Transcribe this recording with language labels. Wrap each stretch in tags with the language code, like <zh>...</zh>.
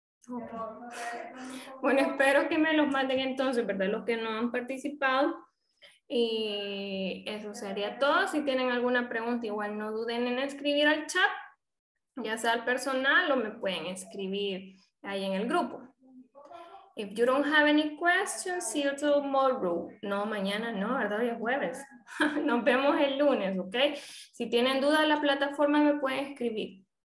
<es>Okay. Bueno, espero que me los manden entonces, ¿verdad? Los que no han participado. Y eso sería todo. Si tienen alguna pregunta, igual no duden en escribir al chat, ya sea al personal o me pueden escribir ahí en el grupo.</es> <en>If you don't have any questions, see you tomorrow.</en> <es>No, mañana no, ¿verdad? Hoy es jueves. Nos vemos el lunes, ¿ok? Si tienen dudas, la plataforma me pueden escribir.</es>